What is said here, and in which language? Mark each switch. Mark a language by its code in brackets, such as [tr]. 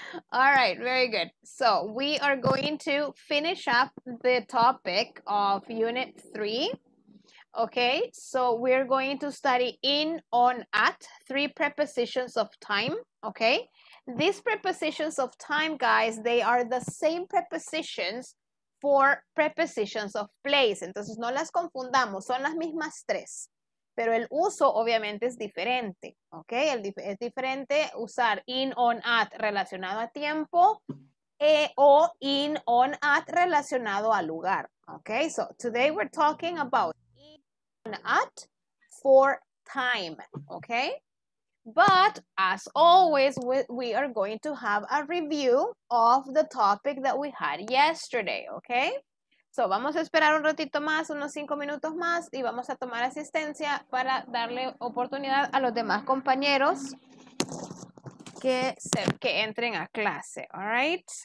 [en] All right, very good. So we are going to finish up the topic of Unit 3. Okay, so we're going to study in, on, at, three prepositions of time, okay? These prepositions of time, guys, they are the same prepositions for prepositions of place. [es] Entonces, no las confundamos, son las mismas tres. Pero el uso, obviamente, es diferente, okay? Es diferente usar in, on, at, relacionado a tiempo, o in, on, at, relacionado a lugar, okay? [en] So, today we're talking about at for time, okay? But as always, we are going to have a review of the topic that we had yesterday, okay? [es] So vamos a esperar un ratito más, unos 5 minutos más, y vamos a tomar asistencia para darle oportunidad a los demás compañeros que entren a clase, all right?